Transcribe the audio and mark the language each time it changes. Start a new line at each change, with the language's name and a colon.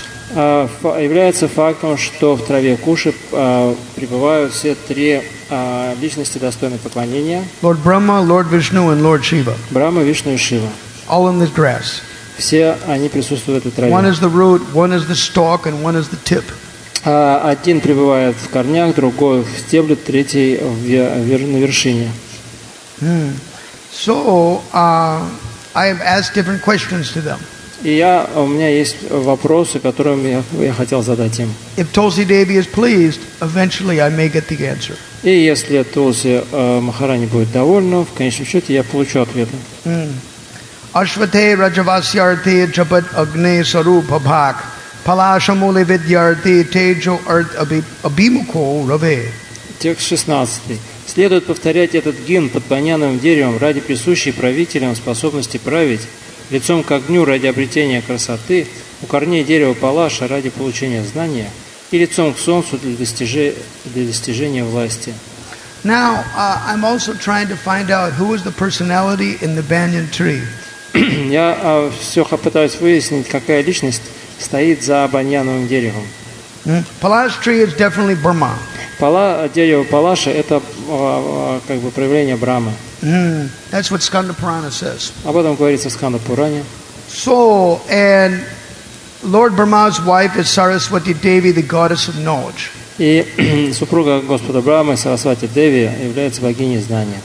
Russian: Является фактом, что в траве Куши пребывают все три личности, достойные поклонения.
English: Lord Brahma, Lord Vishnu, and Lord Shiva.
Russian: Брахма, Вишну и Шива.
English: All in this grass.
Russian: Все они присутствуют в траве.
English: One is the root, one is the stalk, and one is the tip.
Russian: Один пребывает в корнях, другой в стебле, третий на вершине.
English: So, I have asked different questions to them.
Russian: И у меня есть вопросы, которые я хотел задать им.
English: If Tulsi Devi is pleased, eventually I may get the answer.
Russian: И если Тулси Махарани будет довольна, в конечном счете я получу ответы.
Sanskrit: Ashvate rajavasyarthi japat agne sarupa bhak palashamuli vidyarthi tejo art abhimukho rave.
Russian: Текст 16. Следует повторять этот гимн под баняным деревом ради присущей правителям способности править, лицом к огню ради обретения красоты, у корней дерева палаша ради получения знания и лицом к солнцу для достижения власти.
English: Now, I'm also trying to find out who is the personality in the banyan tree.
Russian: Я все пытаюсь выяснить, какая личность стоит за баньяновым деревом.
English: Palash tree is definitely Brahma.
Russian: Дерево Палаша – это проявление Брахмы.
English: That's what Skanda Purana says.
Russian: Об этом говорится в Skanda Purana.
English: So, and Lord Brahma's wife is Saraswati Devi, the goddess of knowledge.
Russian: И супруга Господа Брахмы, Сарасвати Деви, является богиней знания.